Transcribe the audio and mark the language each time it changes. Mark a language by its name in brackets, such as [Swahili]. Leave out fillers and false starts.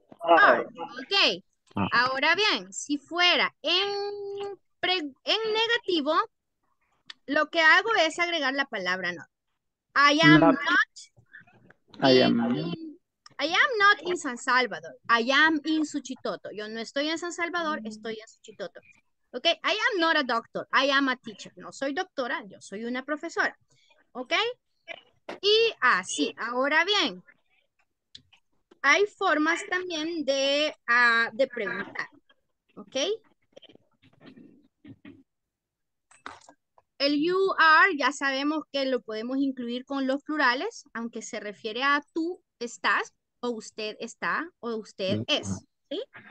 [Spanish] Ok. Ahora bien, si fuera en negativo, lo que hago es agregar la palabra not. [English] I am not. I am not in San Salvador. I am in Suchitoto. [Spanish] Yo no estoy en San Salvador, estoy en Suchitoto. [English] Ok, I am not a doctor, I am a teacher. [Spanish] No soy doctora, yo soy una profesora. Ok, y así, ahora bien, hay formas también de preguntar. Ok. El you are, ya sabemos que lo podemos incluir con los plurales, aunque se refiere a tú estás, o usted está, o usted es. ¿Sí?